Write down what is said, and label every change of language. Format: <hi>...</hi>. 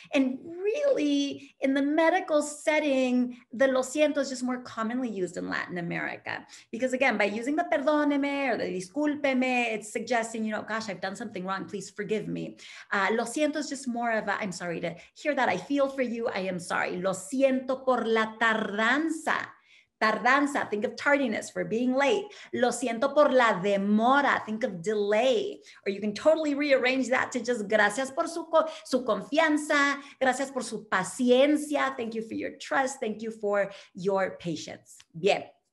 <en>And really in the medical setting, the lo siento is just more commonly used in Latin America. Because again, by using the perdóneme or the discúlpeme, it's suggesting, you know, gosh, I've done something wrong, please forgive me. Lo siento is just more of a, I'm sorry to hear that, I feel for you, I am sorry.</en> <es>Lo siento por la tardanza.</es> <en>Tardanza, think of tardiness, for being late.</en> <es>Lo siento por la demora,</es> <en>think of delay. Or you can totally rearrange that to just</en> <es>gracias por su confianza, gracias por su paciencia,</es> <en>thank you for your trust, thank you for your patience. Bien.</en>